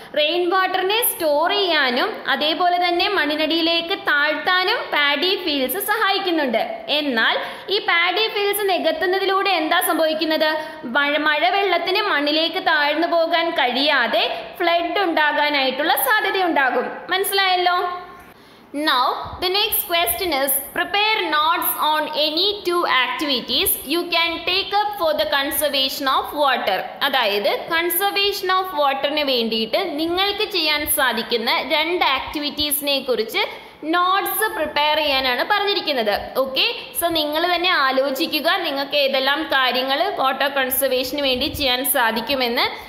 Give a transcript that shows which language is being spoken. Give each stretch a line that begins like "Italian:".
Malayalam: Rain വാട്ടറിനെ store ചെയ്യാനും അതേപോലെ തന്നെ മണ്ണിനടിയിലേക്ക് താഴ്ത്താനും പാഡി ഫീൽഡ്സ് സഹായിക്കുന്നുണ്ട്. എന്നാൽ ഈ പാഡി ഫീൽഡ്സ് നികത്തുന്നതിലൂടെ എന്താ സംഭവിക്കുന്നത്? മഴവെള്ളത്തിന് മണ്ണിലേക്ക് താഴ്ന്നു പോകാൻ കഴിയാതെ ഫ്ലഡ് ഉണ്ടാകാനായിട്ടുള്ള സാധ്യതയുണ്ടാകും. മനസ്സിലായല്ലോ.
English: Now, the next question is, prepare notes on any two activities you can take up for the conservation of water.
Malayalam: അതായത്
English: conservation of water
Malayalam: നു വേണ്ടിയിട്ട് നിങ്ങൾക്ക് ചെയ്യാൻ സാധിക്കുന്ന രണ്ട് ആക്ടിവിറ്റീസിനെ കുറിച്ച് നോട്ട്സ് പ്രിപ്പയർ ചെയ്യാനാണ് പറഞ്ഞിരിക്കുന്നത്. ഓക്കെ, സോ നിങ്ങൾ തന്നെ ആലോചിക്കുക നിങ്ങൾക്ക് ഏതെല്ലാം കാര്യങ്ങൾ വാട്ടർ കൺസർവേഷന് വേണ്ടി ചെയ്യാൻ സാധിക്കുമെന്ന്.